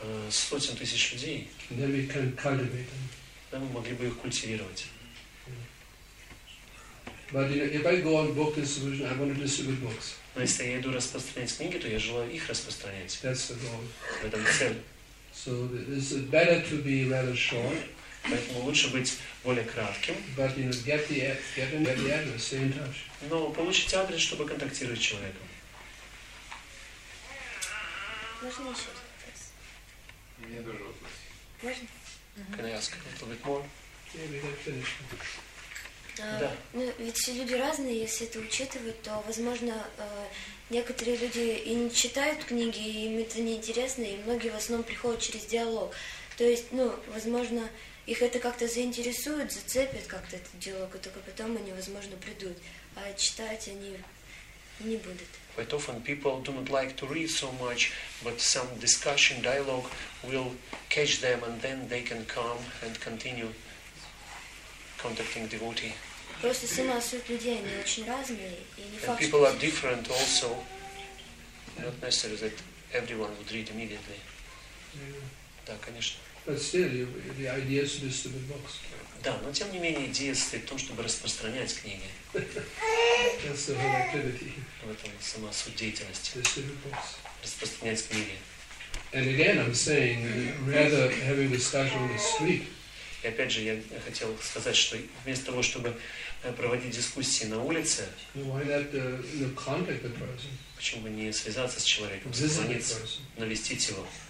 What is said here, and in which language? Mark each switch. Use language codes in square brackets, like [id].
[ru] Сотен тысяч людей. [en] And then we can cultivate them. [ru] Then мы могли бы их культивировать. [en] But, you know, if I go on book distribution, I want to distribute books. [ru] Но если я иду распространять книги, то я желаю их распространять. [en] That's the goal. [ru] В этом цель. [en] So it's better to be rather short. [ru] Поэтому лучше быть более кратким. [en] But, you know, get the address, stay in touch. [ru] Но получить адрес, чтобы контактировать с человеком. Можно еще вопрос? Мне тоже вопрос. Можно? [en] Can I ask a little bit more? Maybe that's finished. [ru] Да. Ну, ведь все люди разные, если это учитывать, то, возможно, некоторые люди и не читают книги, и им это неинтересно, и многие в основном приходят через диалог. То есть, ну, возможно, их это как-то заинтересует, зацепит как-то этот диалог, и только потом они, возможно, придут, а читать они не будут. [en] Quite often people do not like to read so much, but some discussion, dialogue will catch them, and then they can come and continue. Contacting devotee. [ru] Просто сама суть людей, они очень разные, и не факт. [en] People are different also. Not necessary that everyone would read immediately. Yeah. [ru] Да, конечно. [en] But still, the idea is to distribute books. [ru] Да, но тем не менее идея состоит в том, чтобы распространять книги. [en] That's the whole activity. [ru] В этом сама суть деятельности. [en] Distribute books. [ru] Распространять книги. [en] And again, I'm saying rather having discussion on the street. [ru] И опять же, я хотел сказать, что вместо того, чтобы проводить дискуссии на улице, почему бы не связаться с человеком, позвониться, навестить его?